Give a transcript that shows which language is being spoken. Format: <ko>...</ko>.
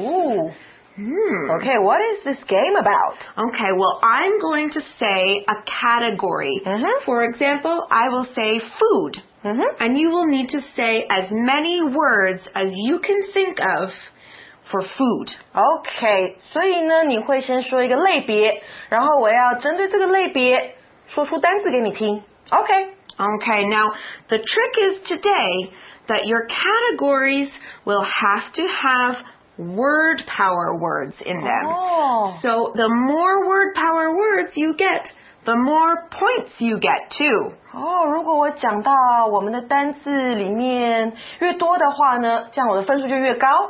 <en>Ooh. Okay, what is this game about? Okay, well, I'm going to say a category. Uh-huh. For example, I will say food. Uh-huh. And you will need to say as many words as you can think of for food.</en> <zh>Okay, 所以呢，你会先说一个类别，然后我要针对这个类别说出单词给你听。</zh> <en>Okay. Okay, now, the trick is today that your categories will have to have word power words in them. Oh. So the more word power words you get, the more points you get too.</en> <zh>Oh, 如果我讲到我们的单字里面越多的话呢，这样我的分数就越高。</zh>